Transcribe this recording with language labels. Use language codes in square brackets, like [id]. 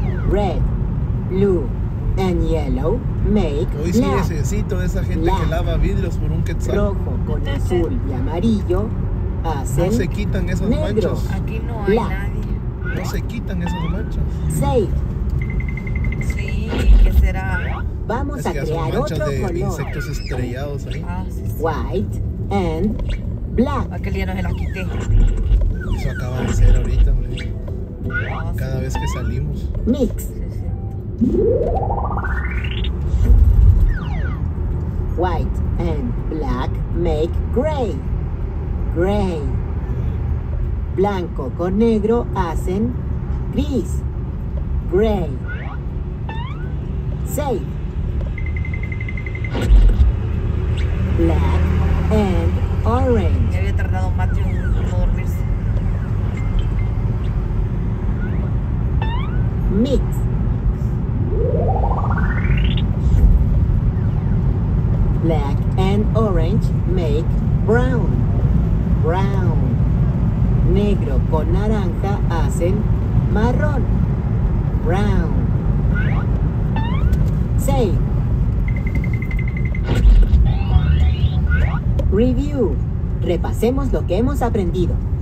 [en] Red, blue, and yellow make black. [es] Hoy sí necesito de esa gente que lava vidrios por un quetzal. Rojo con azul y amarillo hacen negro. No se quitan esas manchas. Aquí no hay nadie. No se quitan esas manchas. [en] Safe. [es] Sí, ¿qué será? Vamos a crear otro color. Manchas de insectos estrellados ahí. Ah, sí. [en] White and black. [es] Aquel día no se las quité. Eso acaba de ser ahorita, güey. Cada vez que salimos. [en] Mix. White and black make gray. Gray. [es] Blanco con negro hacen gris. [en] Gray. Save. Black and orange. [es] Ya había tardado más de un minuto en dormirse. [en] Mix. Black and orange make brown. Brown. [es] Negro con naranja hacen marrón. Brown. [en] Save. [es] Review. Repasemos lo que hemos aprendido.